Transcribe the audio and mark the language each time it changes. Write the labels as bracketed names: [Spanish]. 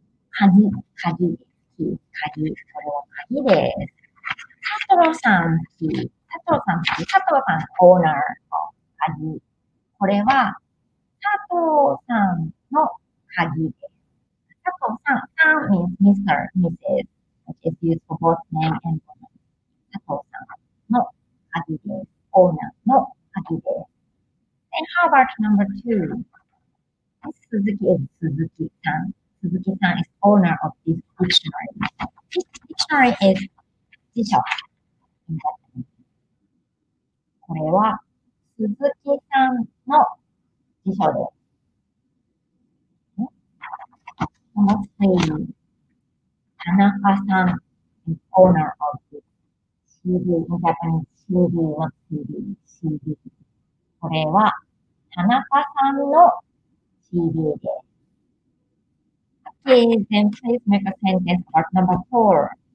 [Japanese] 鍵、鍵、鍵、それは鍵です。佐藤さん、佐藤さん、佐藤さん、オーナーの鍵。これは、佐藤さんの鍵です。 [English] 佐藤さん、さん means Mr. Mrs. which is used for both men and women. [Japanese] 佐藤さんの鍵です。オーナーの鍵です。 [English] And how about number two? Suzuki is Suzuki-san. Suzuki-san is owner of this dictionary. This dictionary is 辞書 in Japanese. [Japanese] これは Suzuki-san の辞書です。 [English] Number three. 田中さん is owner of this CD. In Japanese, CD は CD. CD. [Japanese] これは田中さんの CD です。 [English] Okay, then please make a sentence about number four.